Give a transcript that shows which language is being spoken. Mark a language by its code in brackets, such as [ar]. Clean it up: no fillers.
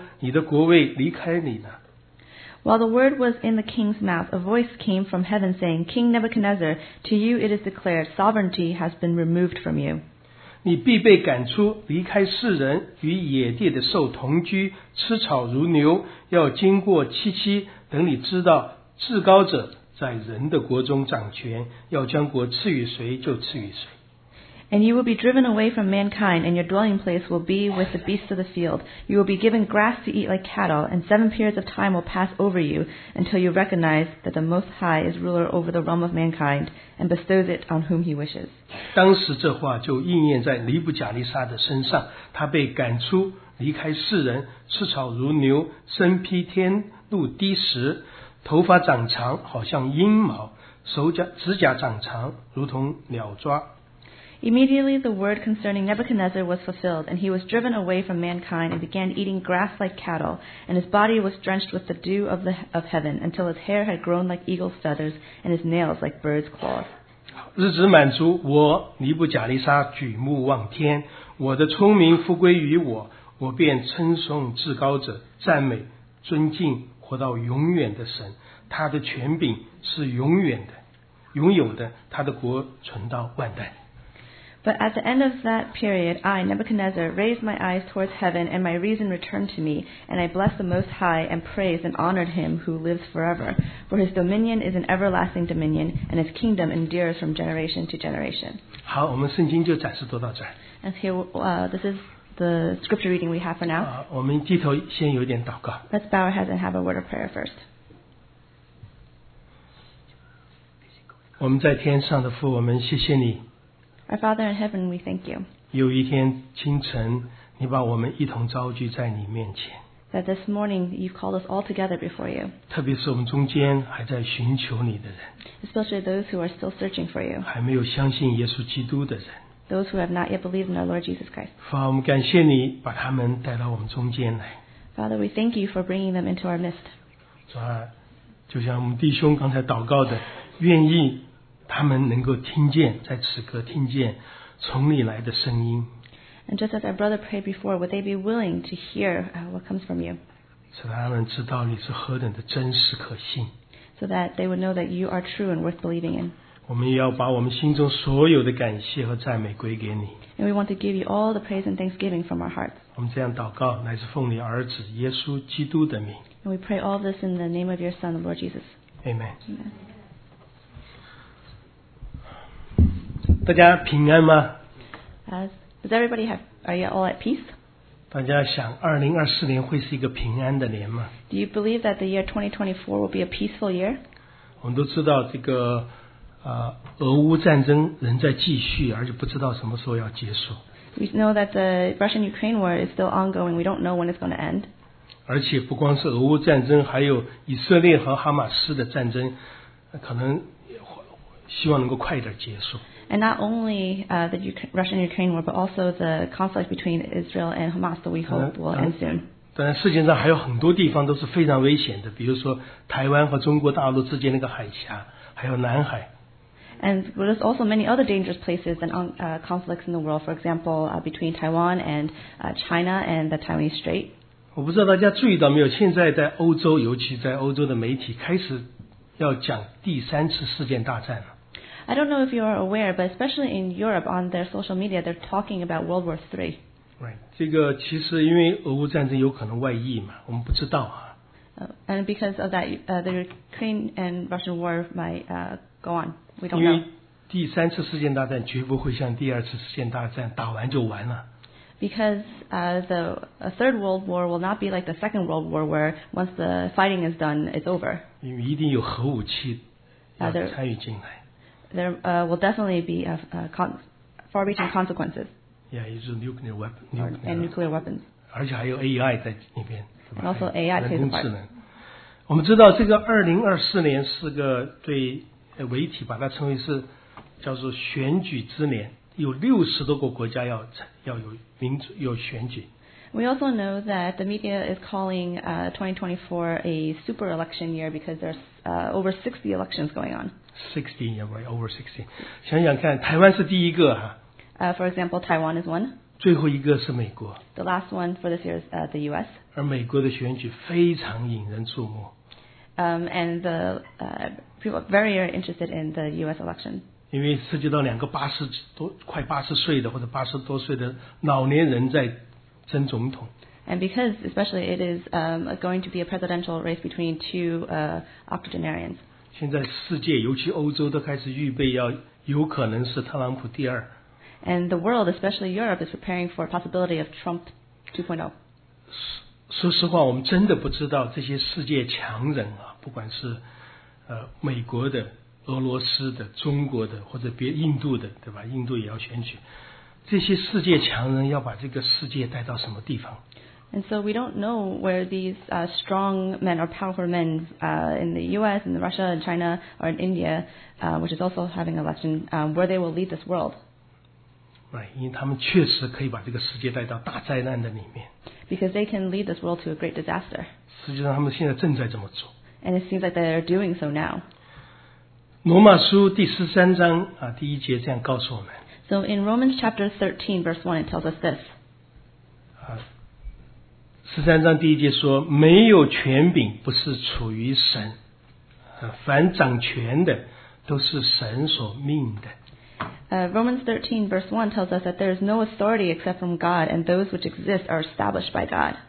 [zh] 这话在王的王口中尚未说完，有声音从天降下，说：“尼布甲尼撒王啊，有话对你说，你的国位离开你了。” [en] While the word was in the king's mouth, a voice came from heaven saying, "King Nebuchadnezzar, to you it is declared, sovereignty has been removed from you." [zh] 你必被赶出，离开世人，与野地的兽同居，吃草如牛，要经过七七，等你知道至高者在人的国中掌权，要将国赐予谁就赐予谁。 [en] And you will be driven away from mankind, and your dwelling place will be with the beasts of the field. You will be given grass to eat like cattle, and 7 periods of time will pass over you until you recognize that the Most High is ruler over the realm of mankind and bestows it on whom he wishes. [zh] 当时这话就应验在尼布甲尼撒的身上，他被赶出，离开世人，吃草如牛，身披天露滴石，头发长长，好像鹰毛，指甲长长，如同鸟抓。 [en] Immediately the word concerning Nebuchadnezzar was fulfilled, and he was driven away from mankind and began eating grass like cattle, and his body was drenched with the dew of heaven, until his hair had grown like eagle's feathers and his nails like bird's claws. [zh] 日子满足，我尼布甲尼撒举目望天，我的聪明复归于我，我便称颂至高者，赞美尊敬活到永远的神，他的权柄是永远的，永有的，他的国存到万代。 [en] But at the end of that period, I, Nebuchadnezzar, raised my eyes towards heaven, and my reason returned to me, and I blessed the Most High and praised and honored him who lives forever. For his dominion is an everlasting dominion, and his kingdom endures from generation to generation. [zh] 好，我们圣经就展示读到这儿。 [en] And here, this is the scripture reading we have for now. [zh] 我们低头先有点祷告。 [en] Let's bow our heads and have a word of prayer first. [zh] 我们在天上的父，我们谢谢你。 [en] Our Father in heaven, we thank you. [zh] 有一天清晨，你把我们一同召聚在你面前。 [en] That this morning you've called us all together before you. [zh] 特别是我们中间还在寻求你的人。 [en] Especially those who are still searching for you. [zh] 还没有相信耶稣基督的人。 [en] Those who have not yet believed in our Lord Jesus Christ. [zh] 父，我们感谢你把他们带到我们中间来。 [en] Father, we thank you for bringing them into our midst. [zh] 主啊，就像我们弟兄刚才祷告的，愿意。他们能够听见，在此刻听见从你来的声音。 [en] And just as our brother prayed before, would they be willing to hear what comes from you? [zh] 使他们知道你是何等的真实可信。 [en] So that they would know that you are true and worth believing in. [zh] 我们也要把我们心中所有的感谢和赞美归给你。 [en] And we want to give you all the praise and thanksgiving from our hearts. [zh] 我们这样祷告，乃是奉你儿子耶稣基督的名。 [en] And we pray all this in the name of your Son, the Lord Jesus. Amen. Amen. [zh] 大家平安吗？ [en] Does everybody have? Are you all at peace? [zh] 大家想2024年会是一个平安的年吗？ [en] Do you believe that the year 2024 will be a peaceful year? [zh] 我们都知道这个俄乌战争仍在继续，而且不知道什么时候要结束。 [en] We know that the Russian-Ukraine war is still ongoing. We don't know when it's going to end. [zh] 而且不光是俄乌战争，还有以色列和哈马斯的战争，可能希望能够快一点结束。 [en] And not only the Russian-Ukraine war, but also the conflict between Israel and Hamas that we hope will end soon. [zh] 当然，世界上还有很多地方都是非常危险的，比如说台湾和中国大陆之间那个海峡，还有南海。 [en] And there's also many other dangerous places and conflicts in the world. For example, between Taiwan and China and the Taiwanese Strait. [zh] 我不知道大家注意到没有，现在在欧洲，尤其在欧洲的媒体开始要讲第三次世界大战了。 [en] I don't know if you are aware, but especially in Europe, on their social media, they're talking about World War III. Right. [zh] 这个其实因为俄乌战争有可能外溢嘛，我们不知道啊。 [en] And because of that, the Ukraine and Russian war might go on. We don't know. [zh] 因为第三次世界大战绝不会像第二次世界大战打完就完了。 [en] Because the Third World War will not be like the Second World War, where once the fighting is done, it's over. [zh] 因为一定有核武器要参与进来。 [en] There will definitely be far-reaching consequences. Yeah, it's a nuclear weapon. And nuclear weapons. [zh] 而且还有 AI 在里面。 [en] And also AI plays a part. [zh] 我们知道这个2024年是个对媒体把它称为是叫做选举之年，有60多个国家要有民主有选举。 [en] We also know that the media is calling 2024 a super election year because there's over 60 elections going on. 60, yeah, right, over 60. [zh] 想想看，台湾是第一个哈。 [en] For example, Taiwan is one. [zh] 最后一个是美国。 [en] The last one for this year is the U.S. [zh] 而美国的选举非常引人注目。 [en] And the people are very interested in the U.S. election. [zh] 因为涉及到两个八十多快八十岁的或者八十多岁的老年人在争总统。 [en] And because especially it is going to be a presidential race between two octogenarians. [zh] 现在世界尤其欧洲都开始预备要有可能是特朗普第二。 [en] And the world, especially Europe, is preparing for a possibility of Trump 2.0. [zh] 说实话，我们真的不知道这些世界强人啊，不管是美国的、俄罗斯的、中国的，或者别印度的，对吧？印度也要选举，这些世界强人要把这个世界带到什么地方 [en] ？And so we don't know where these strong men or powerful men in the U.S. and Russia and China or in India, which is also having election, where they will lead this world. [zh] 因为他们确实可以把这个世界带到大灾难的里面。 [en] Because they can lead this world to a great disaster. [zh] 实际上，他们现在正在这么做。 [en] And it seems like they are doing so now. [zh] 罗马书第十三章啊，第一节这样告诉我们。 [en] So in Romans chapter 13, verse 1, it tells us this. [zh] 十三章第一节说：“没有权柄不是出于神，凡掌权的都是神所命的。” [en] Romans 13 verse 1 tells us that there is no authority except from God and those which exist are established by God.